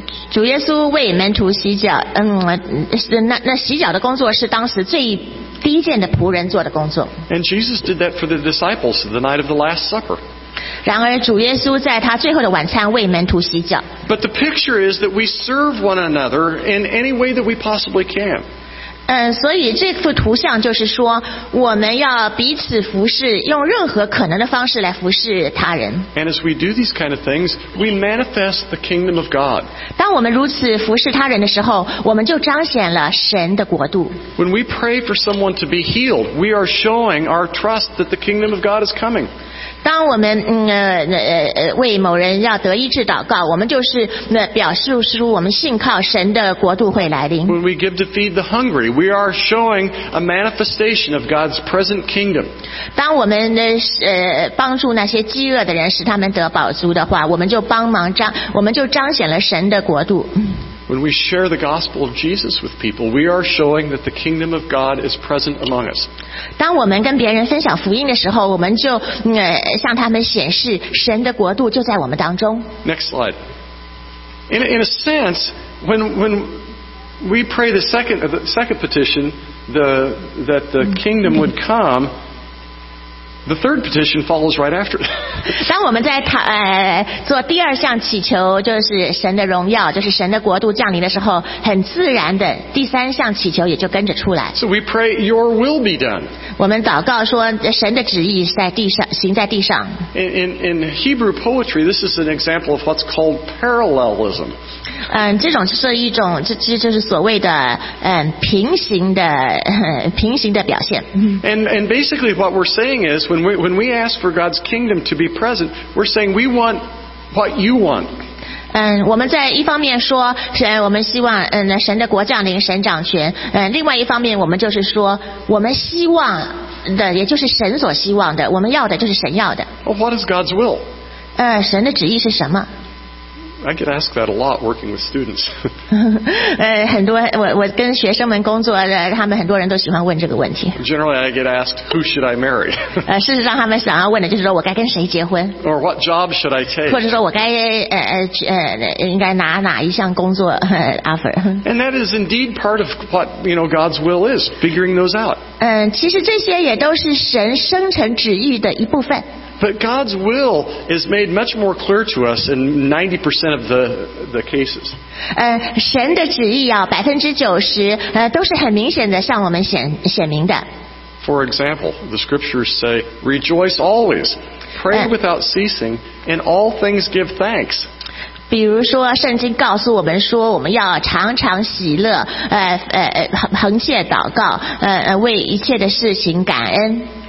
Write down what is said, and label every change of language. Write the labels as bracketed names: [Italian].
[Chinese] 主耶稣为门徒洗脚，那洗脚的工作是当时最低贱的仆人做的工作。 [English] And Jesus did that for the disciples the night of the Last Supper. [Chinese] 然而主耶稣在他最后的晚餐为门徒洗脚。 [English] But the picture is that we serve one another in any way that we possibly can. [Chinese] 所以这幅图像就是说，我们要彼此服侍，用任何可能的方式来服侍他人。 [English] And as we do these kind of things, we manifest the kingdom of God. [Chinese] 当我们如此服侍他人的时候，我们就彰显了神的国度。 [English] When we pray for someone to be healed, we are showing our trust that the kingdom of God is coming. [Chinese] 当我们为某人要得医治祷告，我们就是表示出我们信靠神的国度会来临。 [English] When we give to feed the hungry, we are showing a manifestation of God's present kingdom. [Chinese] 当我们帮助那些饥饿的人，使他们得饱足的话，我们就彰显了神的国度。 [English] When we share the gospel of Jesus with people, we are showing that the kingdom of God is present among us. [Chinese] 当我们跟别人分享福音的时候，我们就向他们显示神的国度就在我们当中。 [English] Next slide. In a sense, when we pray the second petition, that the kingdom would come, The third petition follows right after. [Chinese] 当我们在做第二项祈求，就是神的荣耀，就是神的国度降临的时候，很自然的第三项祈求也就跟着出来。 [English] So we pray, Your will be done. [Chinese] 我们祷告说，神的旨意在地上，行在地上。 [English] In Hebrew poetry, this is an example of what's called parallelism. [Chinese] 这种就是一种，这就是所谓的平行的表现。 [English] And basically, what we're saying is. When we ask for God's kingdom to be present, we're saying we want what you want. [Chinese] 我们在一方面说，我们希望神的国降临，神掌权。另外一方面，我们就是说，我们希望的，也就是神所希望的，我们要的就是神要的。 [English] Well, what is God's will? [Chinese] 神的旨意是什么？ [English] I get asked that a lot working with students. [Chinese] 很多我跟学生们工作的，他们很多人都喜欢问这个问题。 [English] Generally, I get asked, who should I marry? [Chinese] 事实上，他们想要问的就是说，我该跟谁结婚 [English] ？Or what job should I take? [Chinese] 或者说我该应该拿哪一项工作offer? [English] And that is indeed part of what you know God's will is, figuring those out. [Chinese] 其实这些也都是神生成旨意的一部分。 [English] But God's will is made much more clear to us in 90% of the cases. [Chinese] 神的旨意啊，90%都是很明显的向我们显明的。 [English] For example, the scriptures say, "Rejoice always, pray without ceasing, in all things give thanks." [Chinese] 比如说，圣经告诉我们说，我们要常常喜乐，恒切祷告，为一切的事情感恩。